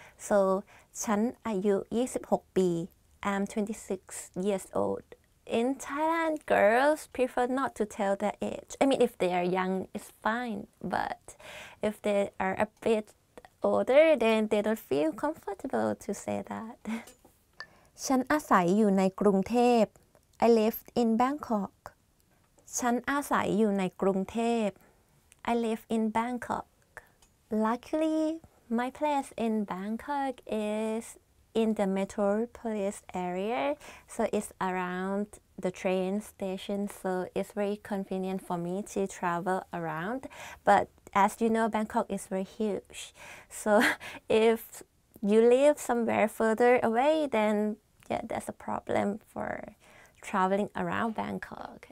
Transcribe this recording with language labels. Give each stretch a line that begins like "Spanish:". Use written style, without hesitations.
English: So,
Thai: ฉันอายุ26ปี
English: I'm 26 years old. In Thailand, girls prefer not to tell their age. I mean, if they are young, it's fine. But if they are a bit older, then they don't feel comfortable to say that.
Thai: ฉันอาศัยอยู่ในกรุงเทพ
English: I live in Bangkok.
Thai: ฉันอาศัยอยู่ในกรุงเทพ
English: I live in Bangkok. Luckily, my place in Bangkok is in the metropolis area, so it's around the train station, so it's very convenient for me to travel around. But as you know, Bangkok is very huge. So if you live somewhere further away, then yeah, that's a problem for traveling around Bangkok.